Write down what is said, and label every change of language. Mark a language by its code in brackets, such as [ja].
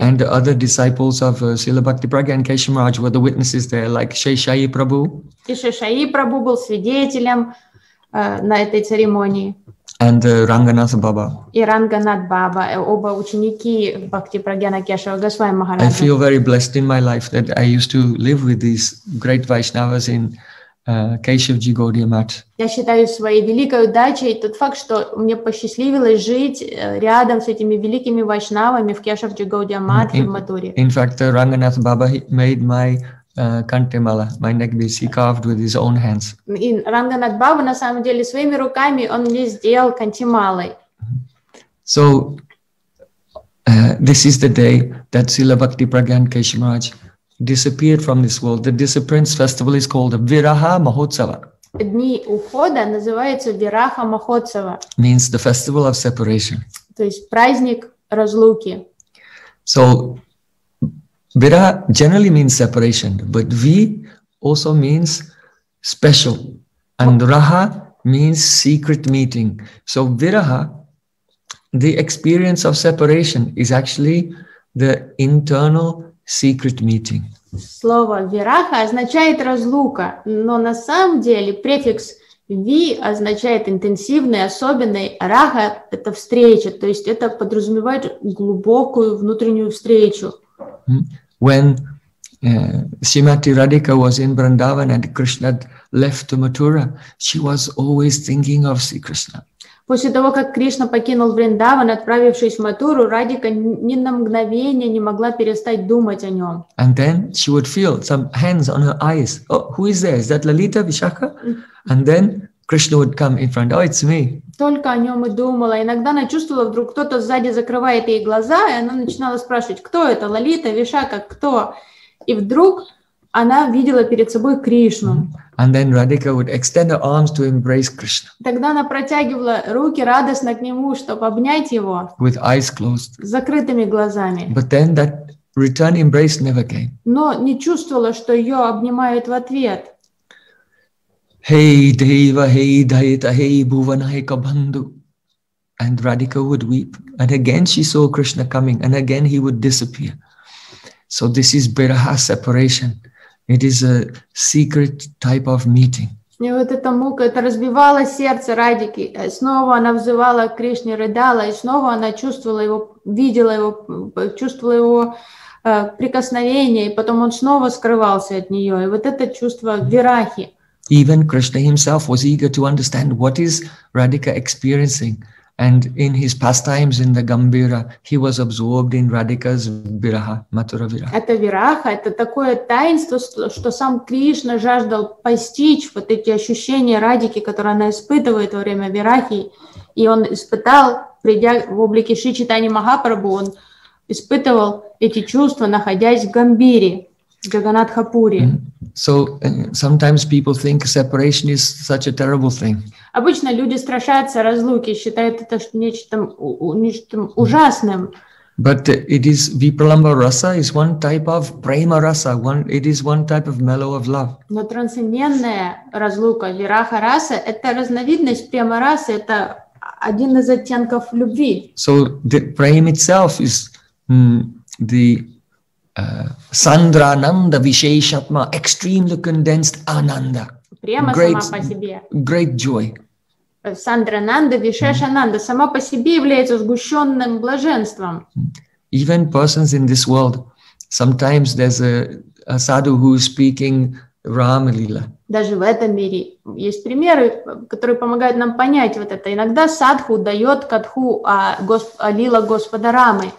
[en] And the other disciples of Srila Bhakti Pragyan Kesha Maharaj were the witnesses there, like Sheshayi Prabhu. [ru] И Шешайи Прабху был свидетелем на этой церемонии. [en] And Ранганатха Баба. [ru] И Ранганатха Баба, оба ученики Бхакти Прагьяна Кешава Госвами Махараджа. [en] I feel very blessed in my life that I used to live with these great Vaishnavas in Keshavji Gaudiya Math. [ru] Я считаю своей великой удачей тот факт, что мне посчастливилось жить рядом с этими великими Вайшнавами в Кешавджи Гаудия Мат и в Матуре. [en] In fact, Ранганатха Баба made my Кантемала, my neck beads, he carved with his own hands. [ru] И Ранганатха Баба на самом деле своими руками он мне сделал кантемалой. [en] So this is the day that Srila Bhakti Pragyan Kesha Maharaj disappeared from this world. The disappearance festival is called Viraha Mahotsava. [ru] Дни ухода называются Вираха Махотсава. [en] Means the festival of separation. [ru] То есть праздник разлуки. [en] So Vira generally means separation, but V also means special, and Raha means secret meeting. So Viraha, the experience of separation, is actually the internal secret meeting. [ru] Слово Вираха означает разлука, но на самом деле префикс V означает интенсивный, особенный, Раха – это встреча, то есть это подразумевает глубокую внутреннюю встречу. [en] When Srimati Radhika was in Vrindavan and Krishna left to Mathura, she was always thinking of Sri Krishna. [ru] После того, как Кришна покинул Вриндаван, отправившись в Матуру, Радика ни на мгновение не могла перестать думать о нем. [en] And then she would feel some hands on her eyes. Oh, who is there? Is that Lalita Vishakha? And then Krishna would come in front. Oh, it's me. [ru] Только о нем и думала. Иногда она чувствовала, вдруг кто-то сзади закрывает ей глаза, и она начинала спрашивать, кто это, Лолита, Вишака, кто? И вдруг она видела перед собой Кришну. [en] And then Radhika would extend her arms to embrace Krishna. [ru] Тогда она протягивала руки радостно к нему, чтобы обнять его. [en] With eyes closed. [ru] С закрытыми глазами. [en] But then that return embrace never came. [ru] Но не чувствовала, что ее обнимают в ответ. [sa] Hey Deva, hey Daita, hey Bhuvanaika Bandhu. [en] And Radhika would weep. And again she saw Krishna coming, and again he would disappear. So this is biraha separation. It is a secret type of meeting. [ru] И вот эта мука, это разбивало сердце Радики. Снова она взывала к Кришне, рыдала, и снова она чувствовала его, видела его, чувствовала его прикосновение, и потом он снова скрывался от нее. И вот это чувство вирахи. [en] Even Krishna himself was eager to understand what is Radhika experiencing. And in his pastimes in the Gambira, he was absorbed in Radhika's viraha, matura viraha. [ru] Это вираха, это такое таинство, что сам Кришна жаждал постичь вот эти ощущения Радики, которые она испытывает во время вирахи. И он испытал, придя в облике Шри Чайтаньи Махапрабху, он испытывал эти чувства, находясь в Гамбире, в Джаганатхапуре. [en] So sometimes people think separation is such a terrible thing. [ru] Обычно люди страшатся разлуки, считают это нечто ужасным. [en] But it is vipralamba rasa is one type of prema rasa. It is one type of mellow of love. [ru] Но трансцендентная разлука, вираха раса, это разновидность према расы, это один из оттенков любви. [en] So the prema itself is the Sandra Ananda Visheshatma, extremely condensed Ananda. Prema great, [ru] сама по себе. [en] Great joy. [ru] Sandra Ananda Visheshananda сама по себе является сгущенным блаженством. [en] Even persons in this world, sometimes there's a sadhu who is speaking Rama Lila. [ru] Даже в этом мире есть примеры, которые помогают нам понять вот это. Иногда садху дает катху о лила Господа Рамы.